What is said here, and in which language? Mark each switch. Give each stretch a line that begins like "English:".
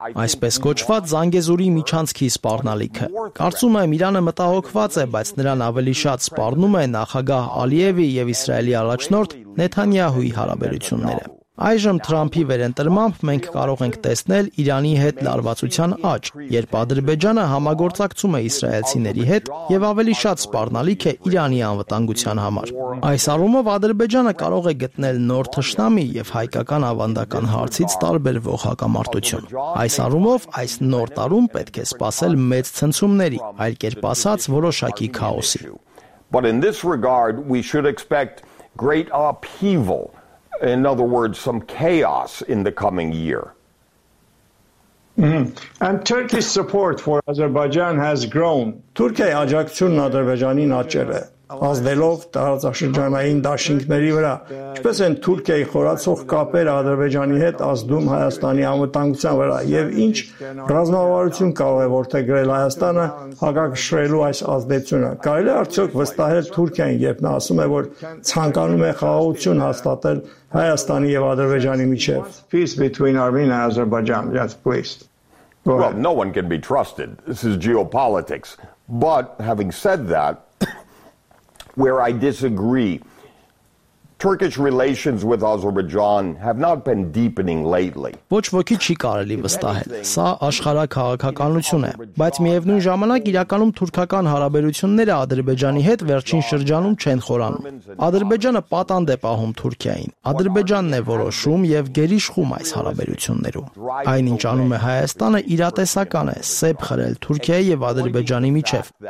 Armenian: Այսպես կոչված Զանգեզուրի միջանցքի սպառնալիքը։ Կարծում եմ, Իրանը մտահոգված է, բայց նրան ավելի շատ սպառնում է նախագահ Ալիևի եւ Իսրայելի առաջնորդ Նեթանյահուի հարաբերությունները։ Այժմ Թրամփի վերընտրմամբ մենք կարող ենք տեսնել Իրանի հետ լարվածության աճ, երբ Ադրբեջանը համագործակցում է իսրայելցիների հետ եւ ավելի շատ սպառնալիք է Իրանի անվտանգության համար։ Այս առումով Ադրբեջանը կարող է գտնել նոր թշնամի եւ հայկական ավանդական հարցից տարբերվող հակամարտություն։ Այս առումով այս նոր տարում պետք է սպասել մեծ ցնցումների, այլ կերպ ասած՝ որոշակի քաոսի։
English: But in this regard we should expect great upheaval. In other words, some chaos in the coming year. Mm-hmm. And Turkey's support for Azerbaijan has grown.
Armenian: Թուրքիայի աջակցությունն Ադրբեջանին աճել է, ազդելով տարածաշրջանային դաշինքների վրա։ Ինչպես են Թուրքիայի խորացող կապերը Ադրբեջանի հետ ազդում Հայաստանի անվտանգության վրա եւ ինչ ռազմավարություն կարող է որդեգրել Հայաստանը հակակշռելու այս ազդեցությունը։ Կարելի է արդյոք վստահել Թուրքիային, երբ նա ասում է, որ ցանկանում է խաղաղություն հաստատել Հայաստանի եւ Ադրբեջանի միջեւ։
English: Peace between Armenia and Azerbaijan. Yes, please. Well, no one can be trusted. This is geopolitics. But having said that, where I disagree, Turkish relations with Azerbaijan have not been deepening lately.
Armenian: Ոչ ոքի չի կարելի վստահել, սա աշխարհաքաղաքականություն է, բայց միևնույն ժամանակ իրականում թուրքական հարաբերությունները Ադրբեջանի հետ վերջին շրջանում չեն խորանում։ Ադրբեջանը պատանդ է պահում Թուրքիային։ Ադրբեջանն է որոշում եւ գերիշխում այս հարաբերություններով։ Այնինչ անում է Հայաստանը, իրատեսական է սեպ խրել Թուրքիայի եւ Ադրբեջանի միջեւ,